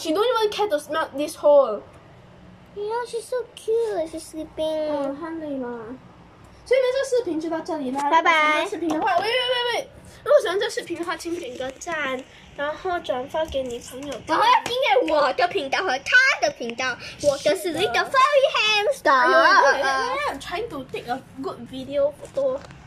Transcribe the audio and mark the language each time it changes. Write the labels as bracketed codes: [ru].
[en] She don't even care to smell this hole. Yeah, she's so cute. She's sleeping. [zh] 哦，太累了。所以呢，这个视频就到这里啦。拜拜。视频的话，喂。如果喜欢这视频的话，请点个赞，然后转发给你朋友。然后要订阅我的频道和他的频道。我的是 Little Furry Hamster。 [en] I'm trying to take a good video photo。